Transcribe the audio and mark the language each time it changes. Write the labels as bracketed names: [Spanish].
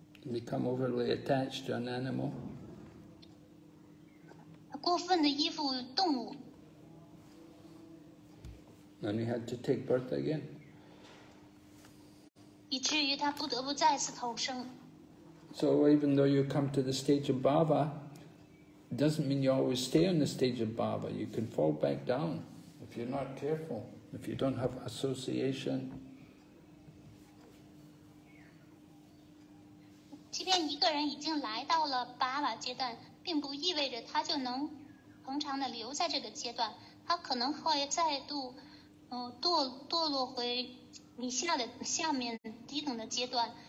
[English] become overly attached to an animal. [Chinese] 过分的依附动物。 [English] Then he had to take birth again. [Chinese] 以至于他不得不再次投生。 [English] So even though you come to the stage of bhava, doesn't mean you always stay on the stage of bhava. You can fall back down if you're not careful, if you don't have association. [Chinese] 即便一个人已经来到了bhava阶段，并不意味着他就能恒常的留在这个阶段，他可能会再度堕落回你下面低等的阶段。